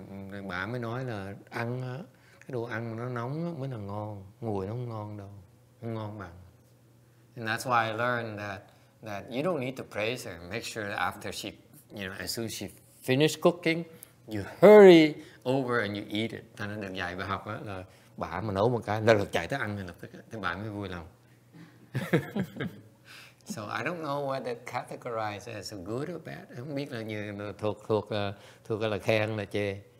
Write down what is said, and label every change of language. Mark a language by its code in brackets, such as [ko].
[vi] Rồi bà mới nói là ăn cái đồ ăn nó nóng mới là ngon, nguội nó không ngon đâu, không ngon bằng. [en] And that's why I learned that you don't need to praise her. Make sure that after she, you know, as soon as she finished cooking, you hurry over and you eat it. [vi] Thế nên được dạy và học là bà mà nấu một cái, lập tức chạy tới ăn lập tức, thì bà mới vui lòng. [en] So I don't know whether categorize as a good or bad. [vi] I không biết là như thuộc là khen là chê.